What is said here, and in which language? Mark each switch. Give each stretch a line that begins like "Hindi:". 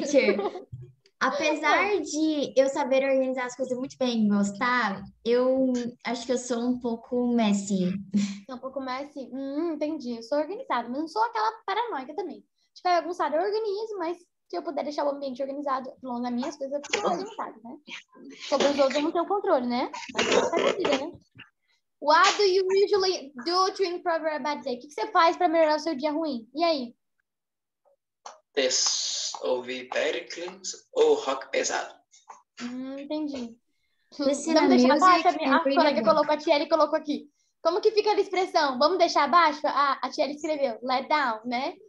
Portuguese: Teacher, apesar de eu saber organizar as coisas muito bem e gostar, eu acho que eu sou um pouco messy. Sou um pouco messy? Entendi. Eu sou organizada, mas não sou aquela paranoica também. Tipo, é bagunçado, eu organizo, mas... Se eu puder deixar o ambiente organizado, falando das minhas coisas, eu fico organizado, né? Sobre os outros, eu não tenho controle, né? Mas eu não sei, né?
English: What do you usually do to improve a bad day?
Portuguese: O que você faz para melhorar o seu dia ruim? E aí? Ouvir Pericles ou rock pesado? Entendi. Vamos deixar abaixo? A colega colocou, a Thierry colocou aqui. Como que fica a expressão? Vamos deixar abaixo? A Thierry escreveu. Let down, né?